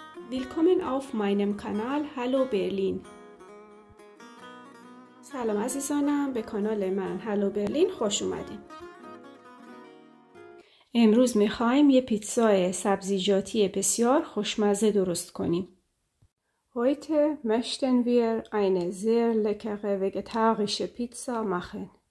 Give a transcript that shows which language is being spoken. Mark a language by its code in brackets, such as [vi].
[de] Willkommen auf meinem Kanal Hallo Berlin! [fa] سلام عزیزانم به کانال من هلو برلین خوش اومدیم. امروز میخواییم یه پیتزای سبزیجاتی بسیار خوشمزه درست کنیم. [de] Heute möchten wir eine sehr leckere vegetarische Pizza machen.